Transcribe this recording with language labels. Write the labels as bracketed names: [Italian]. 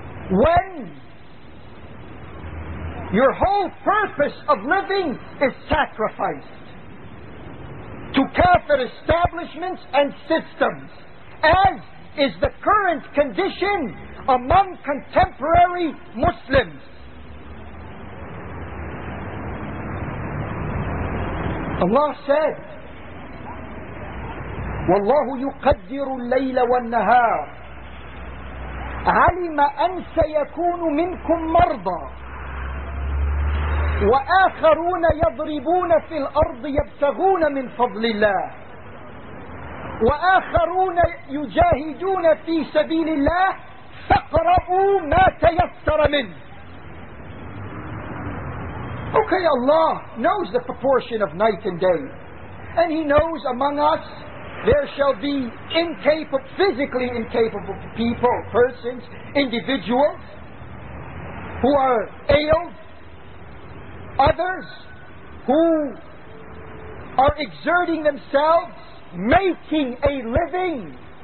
[English] When your whole purpose of living is sacrificed to kafir establishments and systems, as is the current condition among contemporary Muslims. [Arabic] Allah said, وَاللَّهُ يُقَدِّرُ اللَّيْلَ وَالنَّهَارِ عَلِمَ أَن سَيَكُونُ مِنْكُمْ مَرْضَى وآخرون يضربون في الأرض يبتغون من فضل الله وآخرون يجاهدون في سبيل الله فاقرؤوا ما تيسر منه. [English] Okay, Allah knows the proportion of night and day, and He knows among us there shall be incapable, physically incapable people, persons, individuals who are ailed, others who are exerting themselves, making a living.